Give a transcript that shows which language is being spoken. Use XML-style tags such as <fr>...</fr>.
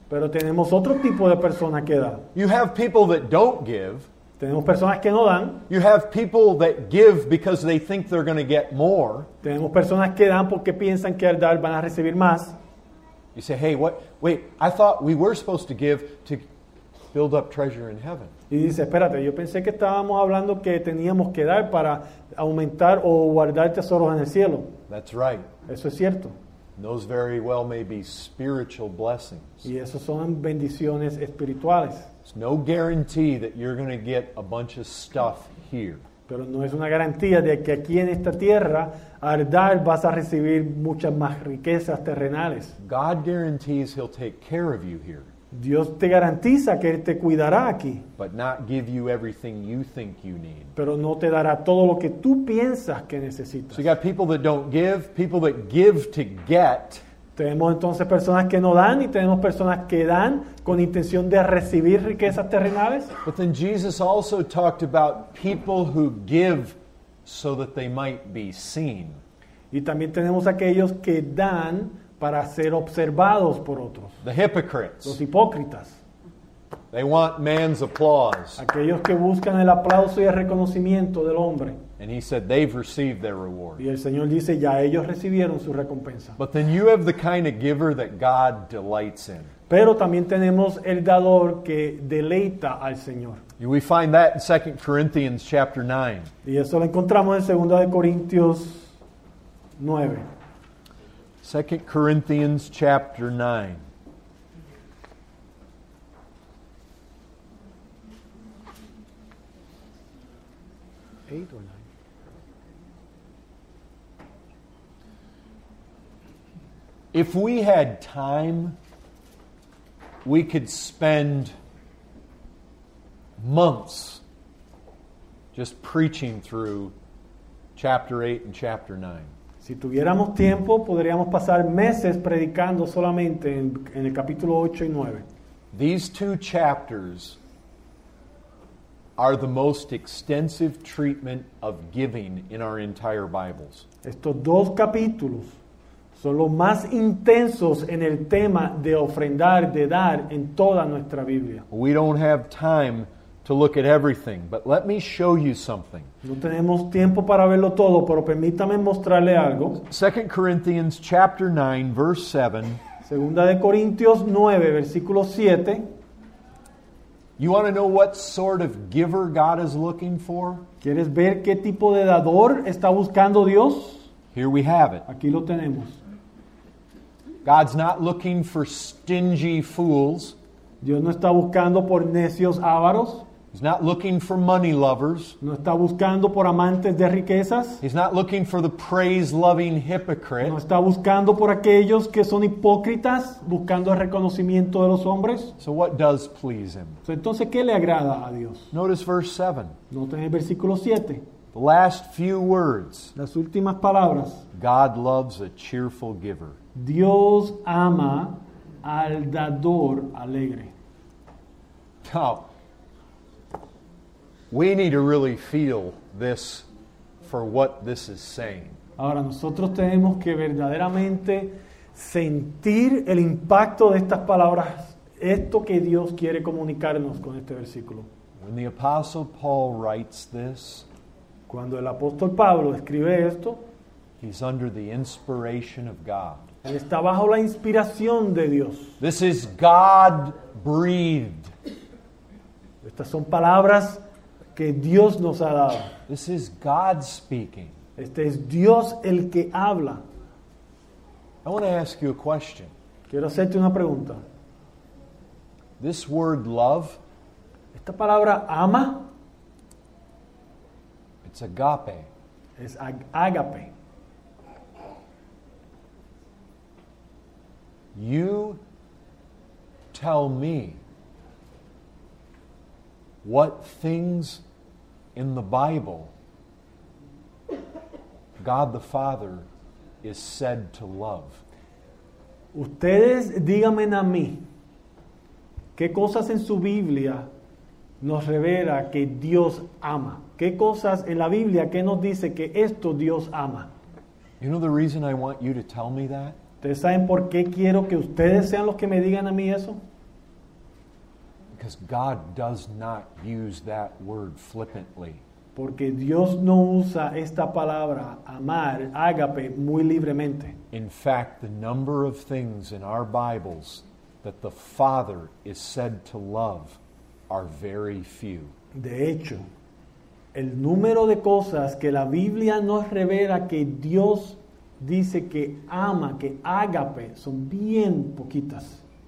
<es>Pero tenemos otro tipo de persona que da.</es> <en>You have people that don't give.</en> <es>Tenemos personas que no dan.</es> <en>You have people that give because they think they're going to get more.</en> <es>Tenemos personas que dan porque piensan que al dar van a recibir más.</es> <en>You say, hey, what? Wait, I thought we were supposed to give to build up treasure in heaven.</en> <es>Y dice, espérate, yo pensé que estábamos hablando que teníamos que dar para aumentar o guardar tesoros en el cielo.</es> <en>That's right.</en> <es>Eso es cierto.</es> <en>And those very well may be spiritual blessings.</en> <es>Y esos son bendiciones espirituales.</es> <en>It's no guarantee that you're going to get a bunch of stuff here.</en> <es>Pero no es una garantía de que aquí en esta tierra, al dar, vas a recibir muchas más riquezas terrenales.</es> <en>God guarantees he'll take care of you here.</en> <es>Dios te garantiza que Él te cuidará aquí.</es> <en>But not give you everything you think you need.</en> <es>Pero no te dará todo lo que tú piensas que necesitas.</es> <en>So you got people that don't give, people that give to get.</en> <es>Tenemos entonces personas que no dan y tenemos personas que dan con intención de recibir riquezas terrenales.</es> <en>But then Jesus also talked about people who give so that they might be seen.</en> <es>Y también tenemos aquellos que dan para ser observados por otros.</es> <en>The hypocrites.</en> <es>Los hipócritas.</es> <en>They want man's applause.</en> <es>Aquellos que buscan el aplauso y el reconocimiento del hombre.</es> <en>And he said they've received their reward.</en> <es>Y el Señor dice ya ellos recibieron su recompensa.</es> <en>But then you have the kind of giver that God delights in.</en> <es>Pero también tenemos el dador que deleita al Señor.</es> <en>We find that in 2 Corinthians chapter 9.</en> <es>Y eso lo encontramos en 2 Corintios 9.</es> <en>2 Corinthians chapter 9. If we had time, we could spend months just preaching through chapter 8 and chapter 9.</en> <es>Si tuviéramos tiempo, podríamos pasar meses predicando solamente en el capítulo 8 y 9.</es> <en>These two chapters are the most extensive treatment of giving in our entire Bibles.</en> <es>Estos dos capítulos son los más intensos en el tema de ofrendar, de dar en toda nuestra Biblia.</es> <en>We don't have time to look at everything, but let me show you something.</en> <es>No tenemos tiempo para verlo todo, pero permítame mostrarle algo.</es> <en>2 Corinthians chapter 9, verse 7.</en> <es>Segunda de Corintios 9, versículo 7.</es> <en>You want to know what sort of giver God is looking for?</en> <es>¿Quieres ver qué tipo de dador está buscando Dios?</es> <en>Here we have it.</en> <es>Aquí lo tenemos.</es> <en>God's not looking for stingy fools.</en> <es>Dios no está buscando por necios avaros.</es> <en>He's not looking for money lovers.</en> <es>No está buscando por amantes de riquezas.</es> <en>He's not looking for the praise-loving hypocrite.</en> <es>No está buscando por aquellos que son hipócritas, buscando el reconocimiento de los hombres.</es> <en>So what does please him?</en> <es>Entonces, ¿qué le agrada a Dios?</es> <en>Notice verse 7.</en> <es>Noten el versículo 7.</es> <en>The last few words.</en> <es>Las últimas palabras.</es> <en>God loves a cheerful giver.</en> <es>Dios ama al dador alegre.</es> <en>Now, we need to really feel this for what this is saying.</en> <es>Ahora, nosotros tenemos que verdaderamente sentir el impacto de estas palabras, esto que Dios quiere comunicarnos con este versículo.</es> <en>When the Apostle Paul writes this,</en> <es>cuando el apóstol Pablo escribe esto,</es> <en>he's under the inspiration of God.</en> <es>Él está bajo la inspiración de Dios.</es> <en>This is God breathed.</en> <es>Estas son palabras que Dios nos ha dado.</es> <en>This is God speaking.</en> <es>Este es Dios el que habla.</es> <en>I want to ask you a question.</en> <es>Quiero hacerte una pregunta.</es> <en>This word love,</en> <es>esta palabra ama,</es> <en>it's agape.</en> <es>Es agape.</es> <en>You tell me what things in the Bible God the Father is said to love.</en> <es>Ustedes díganme a mí qué cosas en su Biblia nos revela que Dios ama. ¿Qué cosas en la Biblia que nos dice que esto Dios ama?</es> <en>You know the reason I want you to tell me that?</en> <es>¿Ustedes saben por qué quiero que ustedes sean los que me digan a mí eso?</es> <en>Because God does not use that word flippantly.</en> <es>Porque Dios no usa esta palabra amar, ágape, muy libremente.</es> <en>In fact, the number of things in our Bibles that the Father is said to love are very few.</en> <es>De hecho, el número de cosas que la Biblia nos revela que Dios dice que ama, que ágape, son bien poquitas.</es>